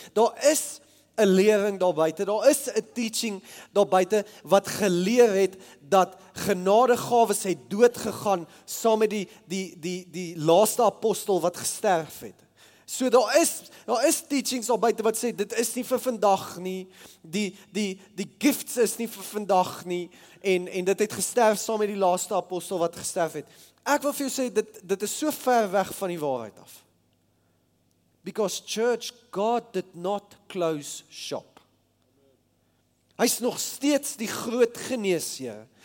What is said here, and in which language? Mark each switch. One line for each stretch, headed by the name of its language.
Afrikaans: Daar is 'n lering daar buite, daar is 'n teaching daar buite wat geleer het dat genadegawes het dood gegaan saam met die laaste apostel wat gesterf het. So daar is teachings daar buite wat sê dit is nie vir vandag nie. Die gifts is nie vir vandag nie en dit het gesterf saam met die laaste apostel wat gesterf het. Ek wil vir jou sê dit is so ver weg van die waarheid af.
English: Because church, God did not close shop.
Afrikaans: Hy is nog steeds die groot geneesheer.